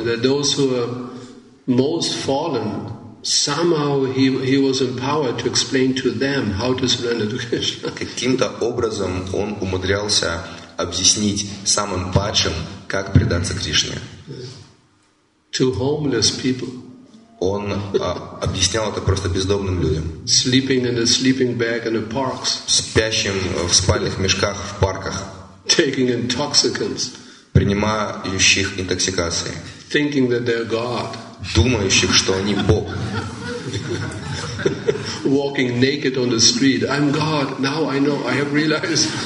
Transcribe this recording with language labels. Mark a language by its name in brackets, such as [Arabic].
[English] That those who are most fallen. Somehow he was empowered to explain to them how to surrender to Krishna. [Russian] Каким-то образом он умудрялся объяснить самым падшим, как предаться Кришне. [English] To homeless people. [Russian] Он объяснял это просто бездомным людям. [English] Sleeping in a sleeping bag in the parks. [Russian] Спящим в спальных мешках в парках. [English] Taking intoxicants. [Russian] Принимающих интоксикации. [English] Thinking that they're God. [Russian] Думающих, что они Бог. [English] Walking naked on the street. I'm God. Now I know. I have realized.